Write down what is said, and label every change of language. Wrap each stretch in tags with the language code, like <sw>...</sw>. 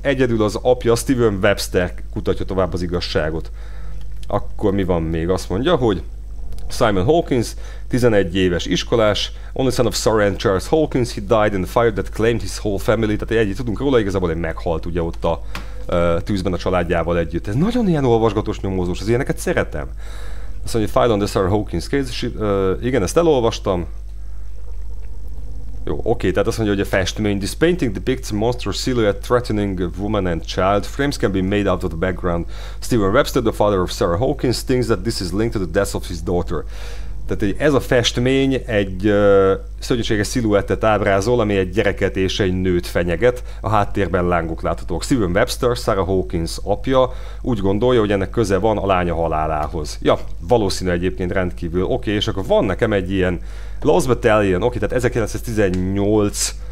<hu>Egyedül az apja, Stephen Webster kutatja tovább az igazságot. Akkor mi van még? Azt mondja, hogy Simon Hawkins, 11 éves iskolás,</hu> <en>only son of Sarah and Charles Hawkins, he died in a fire that claimed his whole family.</en> <hu>Tehát egyet tudunk róla, igazából egy meghalt ugye ott a tűzben a családjával együtt. Ez nagyon ilyen olvasgatós, nyomozós, az ilyeneket szeretem. Azt mondja,</hu> <en>file on the Sarah Hawkins case.</en> <hu>Igen, ezt elolvastam. Jó, oké, tehát azt mondja, hogy a festmény.</hu> <en>This painting depicts a monstrous silhouette threatening a woman and child. Frames can be made out of the background. Stephen Webster, the father of Sarah Hawkins, thinks that this is linked to the death of his daughter.</en> <hu>Tehát ez a festmény egy szörnyűséges sziluettet ábrázol, ami egy gyereket és egy nőt fenyeget. A háttérben lángok láthatók. Stephen Webster, Sarah Hawkins apja úgy gondolja, hogy ennek köze van a lánya halálához. Ja, valószínű egyébként rendkívül. Oké, és akkor van nekem egy ilyen Lost Battalion, oké, tehát 1918.</hu>